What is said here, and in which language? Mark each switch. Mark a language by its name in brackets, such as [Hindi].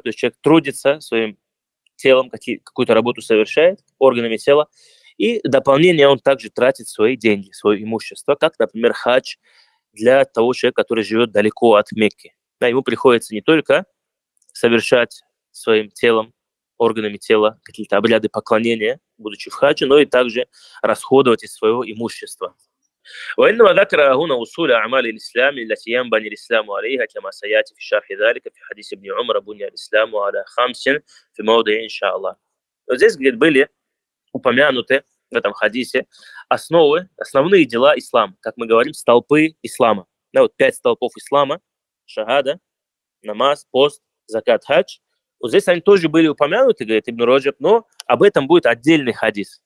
[Russian] То есть человек трудится своим телом, какую-то работу совершает органами тела, и дополнение он также тратит свои деньги, свое имущество, как, например, хадж для того человека, который живет далеко от Мекки. Да, ему приходится не только совершать своим телом, органами тела, какие-то обряды поклонения, будучи в хадже, но и также расходовать из своего имущества. [Arabic] وإنما ذكر هنا أصول أعمال الإسلام التي ينبني الإسلام عليها كما سيأتي في شرح ذلك في حديث ابن عمر بني الإسلام على خمس في موضع إن شاء الله. [Russian] Здесь говорит, были упомянуты в этом хадисе основные дела ислама, как мы говорим, столпы ислама. Да, вот пять столпов ислама: шахада, намаз, пост, закат, хадж. Вот здесь они тоже были упомянуты, говорит Ибн Раджаб, но об этом будет отдельный хадис.